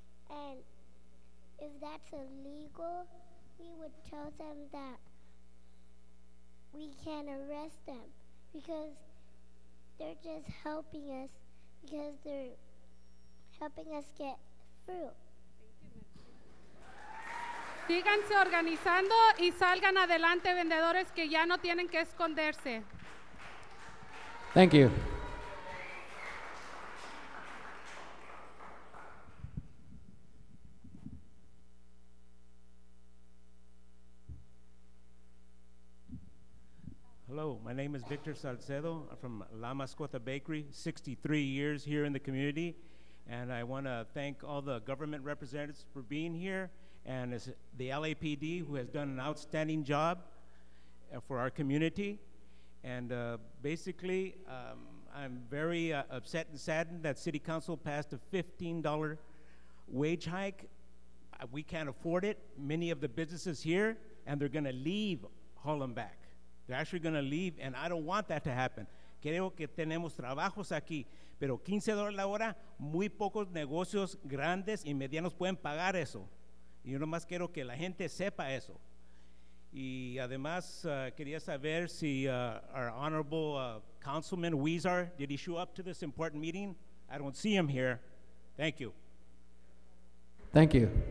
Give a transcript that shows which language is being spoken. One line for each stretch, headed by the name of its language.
English: And if that's illegal, we would tell them that we can't arrest them, because they're just helping us, because they're helping us get fruit.
Spanish: Síganse organizando y salgan adelante, vendedores que ya no tienen que esconderse.
English: Thank you. Hello, my name is Victor Salcedo. I'm from La Mascota Bakery, 63 years here in the community. And I want to thank all the government representatives for being here, and it's the LAPD, who has done an outstanding job for our community. And basically, I'm very upset and saddened that City Council passed a $15 wage hike. We can't afford it. Many of the businesses here, and they're going to leave Harlem back. They're actually going to leave, and I don't want that to happen.
Spanish: Creo que tenemos trabajos aquí, pero $15 la hora, muy pocos negocios grandes y medianos pueden pagar eso. Yo nomás quiero que la gente sepa eso. Y además, quería saber si
English: our honorable councilman Weezer, did he show up to this important meeting? I don't see him here. Thank you. Thank you.